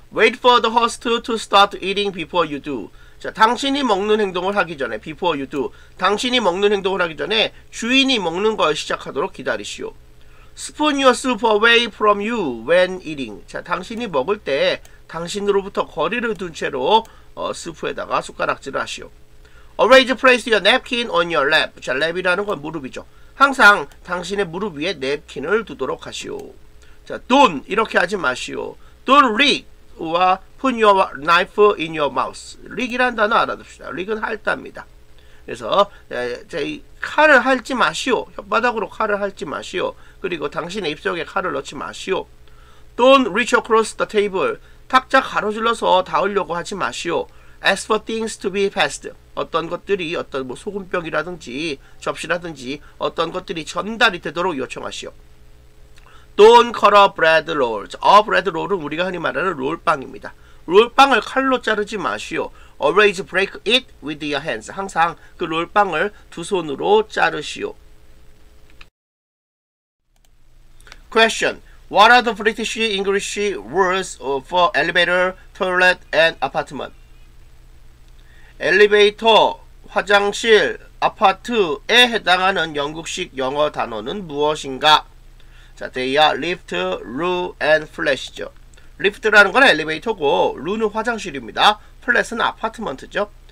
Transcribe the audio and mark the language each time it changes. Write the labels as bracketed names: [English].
[English] Wait for the host to start eating before you do. [Korean] 자, 당신이 먹는 행동을 하기 전에 [English] before you do. [Korean] 당신이 먹는 행동을 하기 전에 주인이 먹는 걸 시작하도록 기다리시오. [English] Spoon your soup away from you when eating. [Korean] 자, 당신이 먹을 때 당신으로부터 거리를 둔 채로 수프에다가 숟가락질을 하시오. [English] Always place your napkin on your lap. [Korean] 자, 랩이라는 건 무릎이죠. 항상 당신의 무릎 위에 냅킨을 두도록 하시오. 자, don't 이렇게 하지 마시오. [English] Don't lick 와 put your knife in your mouth. [Korean] lick이란 단어 알아둡시다. lick은 핥다입니다. 그래서 칼을 핥지 마시오. 혓바닥으로 칼을 핥지 마시오. 그리고 당신의 입속에 칼을 넣지 마시오. [English] Don't reach across the table. [Korean] 탁자 가로질러서 닿으려고 하지 마시오. [English] Ask for things to be passed. [Korean] 어떤 것들이 어떤 뭐 소금병이라든지 접시라든지 어떤 것들이 전달이 되도록 요청하시오. [English] Don't cut a bread roll. A bread roll은 [Korean] 우리가 흔히 말하는 롤빵입니다. 롤빵을 칼로 자르지 마시오. [English] Always break it with your hands. [Korean] 항상 그 롤빵을 두 손으로 자르시오. [English] Question. What are the British English words for elevator, toilet, and apartment? [Korean] 엘리베이터, 화장실, 아파트에 해당하는 영국식 영어 단어는 무엇인가? 자, [English] they are lift, loo, and flash [Korean] 죠. lift라는 건 엘리베이터고, loo는 화장실입니다. flash은 아파트먼트죠.